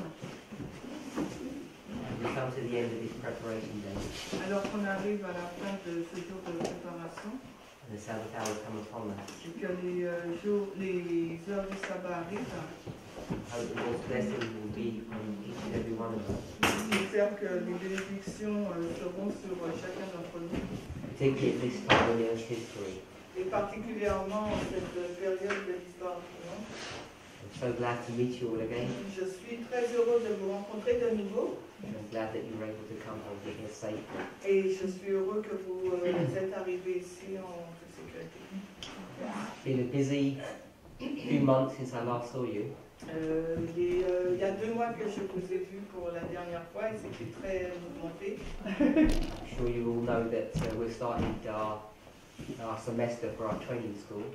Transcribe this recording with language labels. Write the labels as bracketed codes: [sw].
[en] We come to the end of this preparation day. [fr] Alors qu'on arrive à la fin de ce jour de préparation. [en] And the Sabbath hour come upon us. [fr] Et que les heures du sabbat arrivent. [en] Hope the Lord's blessing will be on each and every one of us. [fr] J'espère que les bénédictions seront sur chacun d'entre nous. [en] Take it this part of your history. [fr] Et particulièrement en cette période de l'histoire. [en] I'm so glad to meet you all again. [fr] Je suis très heureux de vous rencontrer de nouveau. [en] And I'm glad that you were able to come and be here safe. [fr] Et je suis heureux que vous êtes arrivé ici en sécurité. [en] It's been a busy few months since I last saw you. [fr] Il y a deux mois que je vous ai vu pour la dernière fois et c'était très mouvementé. [en] I'm sure you all know that we're starting our semester for our training school.